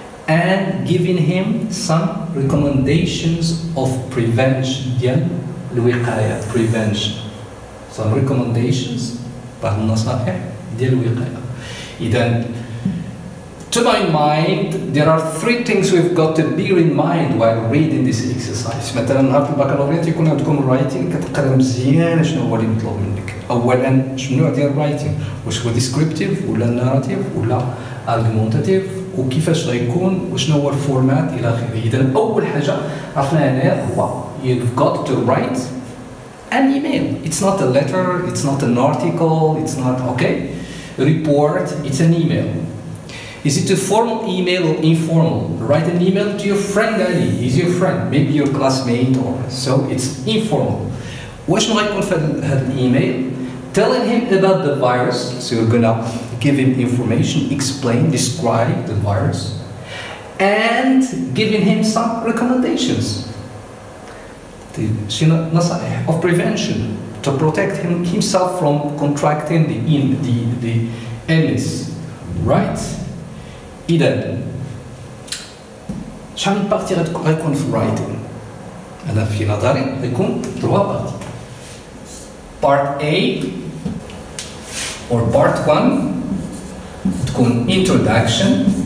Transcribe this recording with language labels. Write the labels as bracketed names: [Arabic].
[English] and giving him some recommendations of prevention. Yeah, الوقاية, prevention. Some recommendations, but [Arabic] نصائح ديال الوقاية. [English] Then, to my mind, there are three things we've got to bear in mind while reading this exercise. [Arabic] مثلا نهار في البكالوريا تيكون عندكم writing كتقرا مزيان شنو هو اللي مطلوب منك. اولا شنو ديال الرايتينغ؟ واش هو ديسكريبتيف ولا ناراتيف ولا ارغومونتاتيف؟ وكيفاش غيكون؟ وشنو هو الفورمات الى اخره. اذا اول حاجه عرفنا هنا هو [English] you've got to write an email. It's not a letter, it's not an article, it's not okay. Report, it's an email. Is it a formal email or informal? Write an email to your friend Ali. He's your friend, maybe your classmate or so. It's informal. What should I call for an email? Telling him about the virus. So you're gonna give him information, explain, describe the virus, and giving him some recommendations. Of prevention to protect himself from contracting the illness. Right? Idem. [Arabic] شحال من بارتي غيكون في رايتينغ؟ انا في نظري غيكون 3 بارتي. [English] Part A or Part 1 [Arabic] تكون [English] introduction.